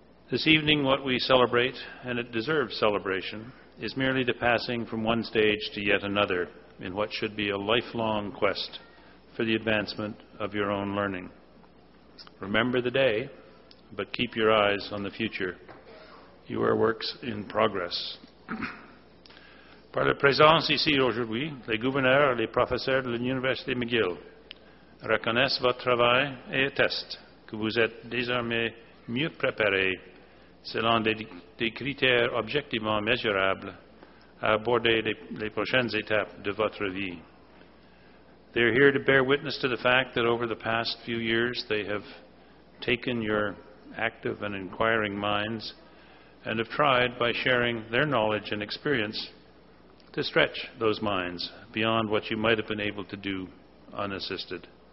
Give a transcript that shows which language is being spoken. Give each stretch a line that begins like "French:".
English: This evening, what we celebrate, and it deserves celebration, is merely the passing from one stage to yet another in what should be a lifelong quest for the advancement of your own learning. Remember the day, but keep your eyes on the future. You are works in progress.
French: Par la présence ici aujourd'hui, les gouverneurs et les professeurs de l'Université McGill reconnaissent votre travail et attestent que vous êtes désormais mieux préparé selon des critères objectivement mesurables à aborder les prochaines étapes de votre vie.
English: They are here to bear witness to the fact that over the past few years they have taken your active and inquiring minds and have tried, by sharing their knowledge and experience, to stretch those minds beyond what you might have been able to do unassisted.